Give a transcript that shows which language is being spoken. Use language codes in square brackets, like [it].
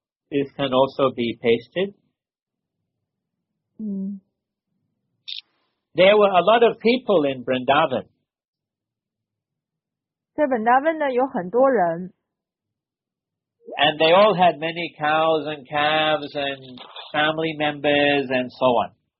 [en] This can also be pasted. There were a lot of people in Vrindavan. [zh] 在 Vrindavan 呢有很多人。 [en] And they all had many cows and calves and family members and so on.